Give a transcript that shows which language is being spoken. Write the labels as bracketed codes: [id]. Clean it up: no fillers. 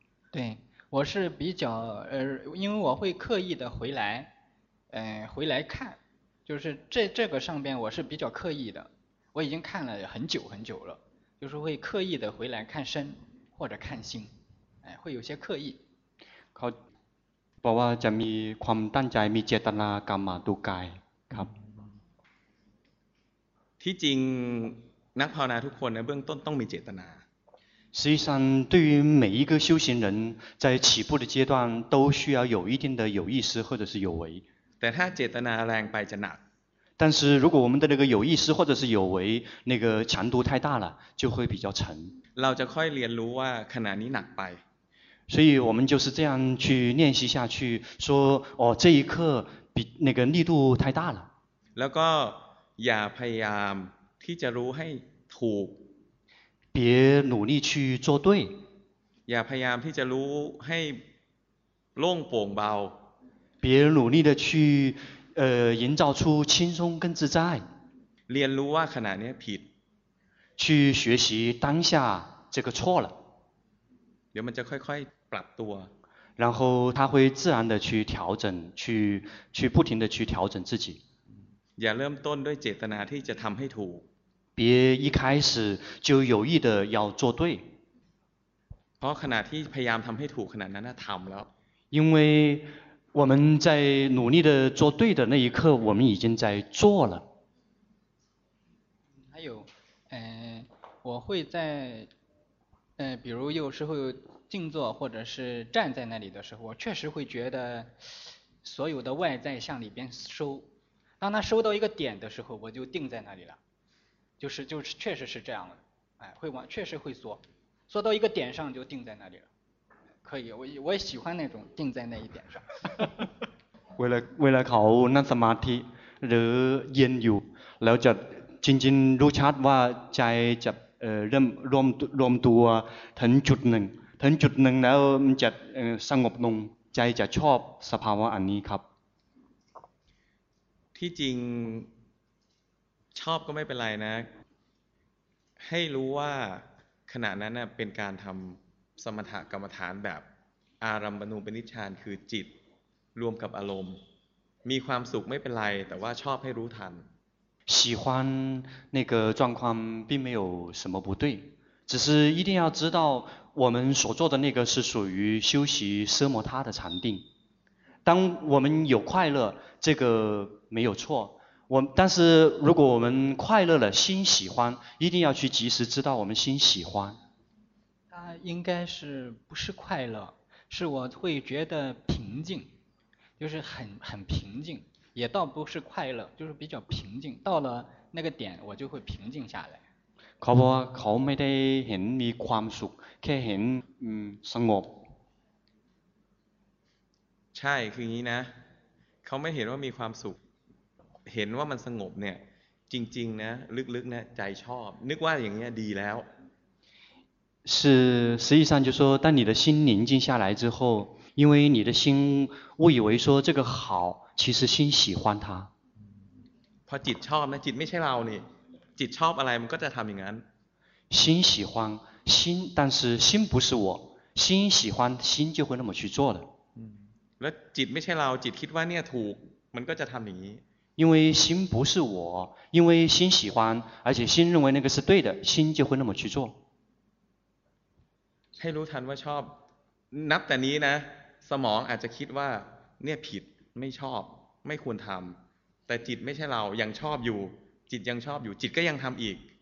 [zh] 对我是比较因为我会刻意的回来回来看就是这个上边我是比较刻意的我已经看了很久很久了就是会刻意的回来看身或者看心会有些刻意 [th] เขาบอกว่าจะมีความตั้งใจมีเจตนากรรมมาดูกายครับ ที่จริงนักภาวนาทุกคนในเบื้องต้นต้องมีเจตนา [zh] 实际上对于每一个修行人在起步的阶段都需要有一定的有意识或者是有为 [th] แต่ถ้าเจตนาแรงไปจะหนัก [zh] 但是如果我们的那个有意识或者是有为那个强度太大了就会比较沉 [th] เราจะค่อยเรียนรู้ว่าขณะนี้หนักไป [zh] 所以我们就是这样去练习下去说哦这一刻比那个力度太大了 [th] แล้วก็อย่าพยายามที่จะรู้ให้ถูก [zh] 别努力去做对 [th] อย่าพยายามที่จะรู้ให้โล่งโปร่งเบา [zh] 别努力的去营造出轻松跟自在 [th] เรียนรู้ว่าขณะนี้ผิด [zh] 去学习当下这个错了 [th] เดี๋ยวมันจะค่อยๆปรับตัว [zh] 然后他会自然的去调整去不停的去调整自己 [th] อย่าเริ่มต้นด้วยเจตนาที่จะทำให้ถูก [zh] 别一开始就有意的要做对 [th] เพราะขณะที่พยายามทำให้ถูกขนาดนั้นน่ะทำแล้ว [zh] 因为我们在努力的做对的那一刻我们已经在做了还有我会在比如有时候静坐或者是站在那里的时候我确实会觉得所有的外在向里边收当它收到一个点的时候我就定在那里了就是确实是这样的，哎，会往确实会缩，缩到一个点上就定在那里了。可以，我也喜欢那种定在那一点上。为了考 [th] นั่งสมาธิหรือยืนอยู่แล้วจะจริงๆรู้ชัดว่าใจจะเริ่มรวมตัวถึงจุดหนึ่งถึงจุดหนึ่งแล้วมันจะสงบลงใจจะชอบสภาวะอันนี้ครับ ที่จริงชอบก็ไม่เป็นไรนะให้รู้ว่าขณะนั้นเป็นการทำสมถกรรมฐานแบบอารัมภนูปนิชฌานคือจิตรวมกับอารมณ์มีความสุขไม่เป็นไรแต่ว่าชอบให้รู้ทัน [zh] 喜欢那个状况并没有什么不对，只是一定要知道我们所做的那个是属于修习奢摩他的禅定。当我们有快乐，这个没有错。但是如果我们快乐了，心喜欢，一定要去及时知道我们心喜欢。它应该是不是快乐，是我会觉得平静，就是很平静。也倒不是快乐，就是比较平静。到了那个点，我就会平静下来。 [th] เขาบอกเขาไม่ได้เห็นมีความสุขแค่เห็นสงบ ใช่คืออย่างนี้นะเขาไม่เห็นว่ามีความสุขเห็นว่ามันสงบเนี่ยจริงๆนะลึกๆนะใจชอบนึกว่าอย่างนี้ดีแล้ว [zh] 是实际上就说当你的心宁静下来之后因为你的心误以为说这个好其实心喜欢它 [th] พอจิตชอบนะจิตไม่ใช่เรานี่จิตชอบอะไรมันก็จะทำอย่างนั้น [zh] 心喜欢心但是心不是我心喜欢心就会那么去做了 [th] แล้วจิตไม่ใช่เราจิตคิดว่าเนี่ยถูกมันก็จะทำอย่างนี้ [zh] 因为心不是我因为心喜欢而且心认为那个是对的心就会那么去做 [th] ให้รู้ทันว่าชอบนับแต่นี้นะสมองอาจจะคิดว่าเนี่ยผิดไม่ชอบไม่ควรทำแต่จิตไม่ใช่เรายังชอบอยู่จิตยังชอบอยู่จิตก็ยังทำอีก